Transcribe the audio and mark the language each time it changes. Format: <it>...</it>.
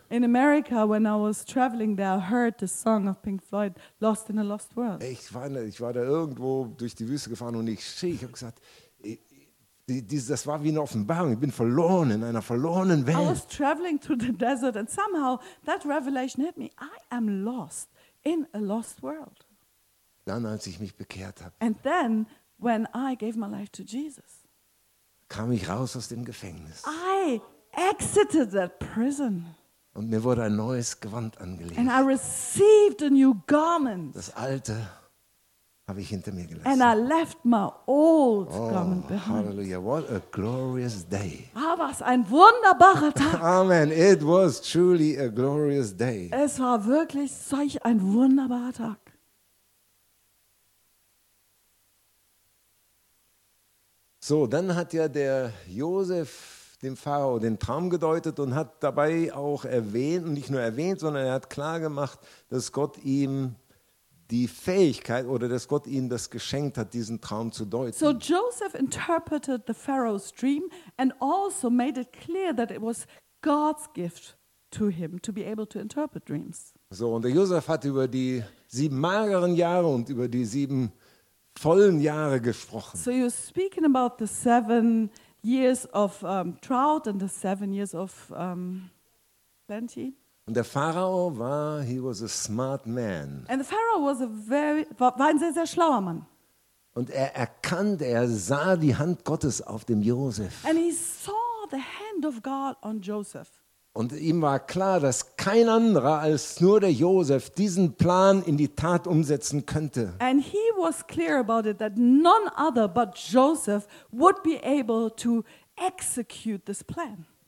<en>In America, when I was traveling there, I heard the song of Pink Floyd, Lost in a Lost World.</en> <de>Ich war da irgendwo durch die Wüste gefahren und ich habe gesagt, das war wie eine Offenbarung, ich bin verloren in einer verlorenen Welt.</de> <en>I was traveling through the desert and somehow that revelation hit me, I am lost in a lost world.</en> <de>Dann, als ich mich bekehrt habe.</de> <en>And then, when I gave my life to Jesus.</en> <de>Kam ich raus aus dem Gefängnis.</de> <en>I exited that prison.</en> <de>Und mir wurde ein neues Gewand angelegt.</de> <en>And I received a new garment.</en> <de>Das alte habe ich hinter mir gelassen.</de> <en>And I left my old garment behind. Hallelujah, what a glorious day.</en> <de>Ah, was ein wunderbarer Tag.</de> <en>Amen, it was truly a glorious day.</en> <de>Es war wirklich solch ein wunderbarer Tag. So, dann hat ja der Josef dem Pharao den Traum gedeutet und hat dabei auch erwähnt, und nicht nur erwähnt, sondern er hat klar gemacht, dass Gott ihm die Fähigkeit oder dass Gott ihm das geschenkt hat, diesen Traum zu deuten.</de> <en>So Joseph interpreted the Pharaoh's dream and also made it clear that it was God's gift to him to be able to interpret dreams.</en> <de>So, und der Josef hat über die 7 mageren Jahre und über die 7 vollen Jahre gesprochen.</de> <en>So you're speaking about the 7 years of drought and the 7 years of plenty.</en> <de>Und der Pharao war,</de> <en>he was a smart man. And the Pharaoh was</en> <de>war ein sehr, sehr schlauer Mann. Und er erkannte, er sah die Hand Gottes auf dem Josef.</de> <en>And he saw the hand of God on Joseph.</en> <de>Und ihm war klar, dass kein anderer als nur der Josef diesen Plan in die Tat umsetzen könnte.</de> <en>And he was clear about it that none other but Joseph would be able to execute this plan.</en>